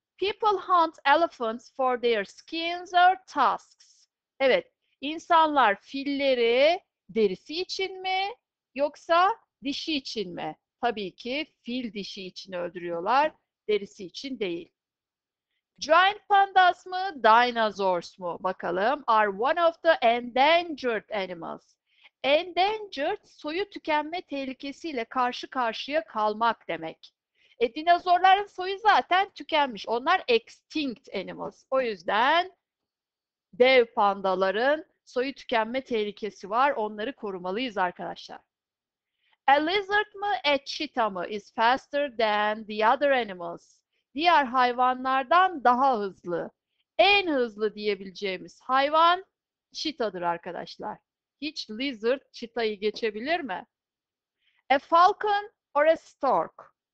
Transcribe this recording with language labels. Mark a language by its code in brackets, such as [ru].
[en] People hunt elephants for their skins or tusks. [tr] Evet, insanlar filleri derisi için mi yoksa dişi için mi? Tabii ki fil dişi için öldürüyorlar, derisi için değil. [en] Giant pandas [tr] mı, [en] dinosaurs [tr] mu? Bakalım. [en] Are one of the endangered animals. [tr] Endangered, soyu tükenme tehlikesiyle karşı karşıya kalmak demek. Dinozorların soyu zaten tükenmiş. Onlar [en] extinct animals. [tr] O yüzden dev pandaların soyu tükenme tehlikesi var. Onları korumalıyız arkadaşlar. [en] A lizard [tr] mı, [en] a cheetah mı is faster than the other animals. [tr] Diğer hayvanlardan daha hızlı. En hızlı diyebileceğimiz hayvan cheetah'dır arkadaşlar. Hiç lizard çitayı geçebilir mi? [en] A falcon or a stork?